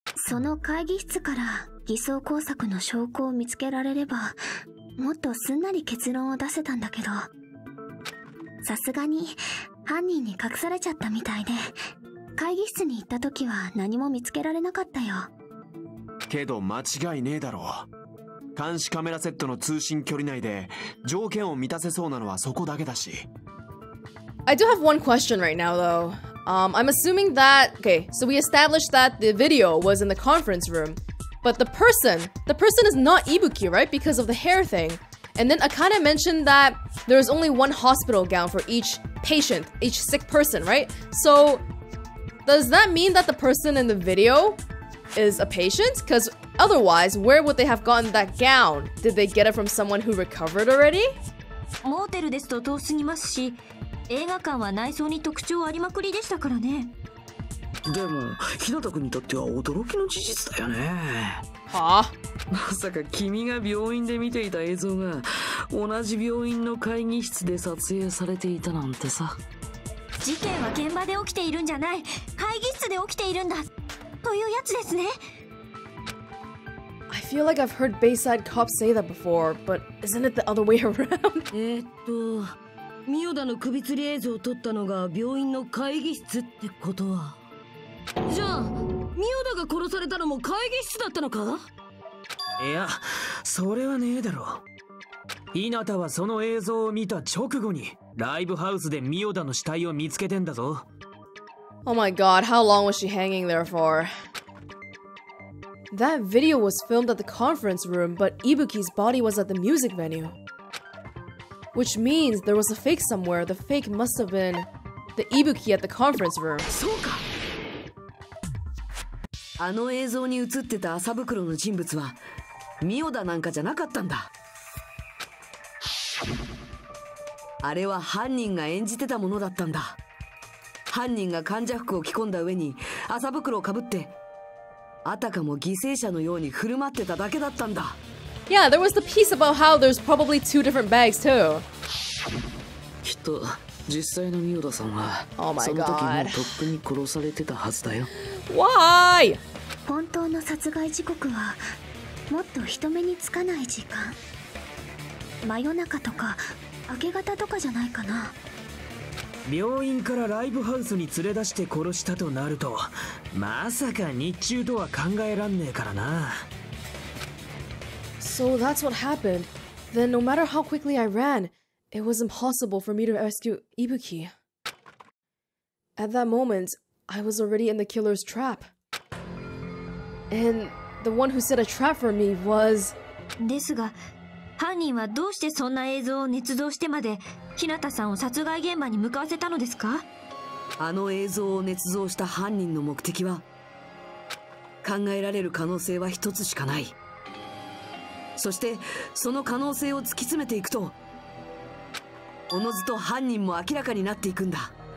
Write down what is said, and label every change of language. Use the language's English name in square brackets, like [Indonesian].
[Japanese] その会議室から偽装工作の証拠を見つけられればもっとすんなり結論を出せたんだけど、さすがに犯人に隠されちゃったみたいで、会議室に行った時は何も見つけられなかったよ。けど間違いねえだろ。監視カメラセットの通信距離内で条件を満たせそうなのはそこだけだし。 [English] I do have one question right now though. I'm assuming that, okay, so we established that the video was in the conference room, but the person is not Ibuki, right? Because of the hair thing. And then Akane mentioned that there's only one hospital gown for each patient, each sick person, right? So does that mean that the person in the video is a patient? Because otherwise, where would they have gotten that gown? Did they get it from someone who recovered already? [Japanese] モーテルですと遠すぎますし、映画館は内装に特徴ありまくりでしたからね。でも、日向くんにとっては驚きの事実だよね。はあ、まさか君が病院で見ていた映像が同じ病院の会議室で撮影されていたなんてさ。事件は現場で起きているんじゃない、会議室で起きているんだというやつですね。 [English] I feel like I've heard Bayside cops say that before, but isn't it the other way around? [Japanese] ミオダの首吊り映像を撮ったのが病院の会議室ってことは、じゃあミオダが殺されたのも会議室だったのか。いや、それはねえだろ。ヒナタはその映像を見た直後にライブハウスでミオダの死体を見つけてんだぞ。 [English] Oh my god, how long was she hanging there for? That video was filmed at the conference room, but Ibuki's body was at the music venue. Which means there was a fake somewhere. The fake must have been the Ibuki at the conference room. [Japanese] そうか、あの映像に映ってた麻袋の人物はミオダなんかじゃなかったんだ。あれは犯人が演じてたものだったんだ。犯人が患者服を着込んだ上に麻袋をかぶって、あたかも犠牲者のように振る舞ってただけだったんだ。 [English] Yeah, there was the piece about how there's probably two different bags too. [Japanese] きっと実際のミオダさんは、 oh、その時もとっくに殺されてたはずだよ。 [English] Why? [Japanese] 本当の殺害時刻はもっと人目につかない時間、真夜中とか明け方とかじゃないかな。病院からライブハウスに連れ出して殺したとなると、まさか日中とは考えらんねえからな。 [English] So that's what happened. Then no matter how quickly I ranIt was impossible for me to rescue Ibuki. At that moment, I was already in the killer's trap. And the one who set a trap for me was... [Japanese] ですが、犯人はどうしてそんな映像を捏造してまで、日向さんを殺害現場に向かわせたのですか？あの映像を捏造した犯人の目的は、考えられる可能性は一つしかない。そして、その可能性を突き詰めていくと、おのずと犯人も明らかになっていくんだ。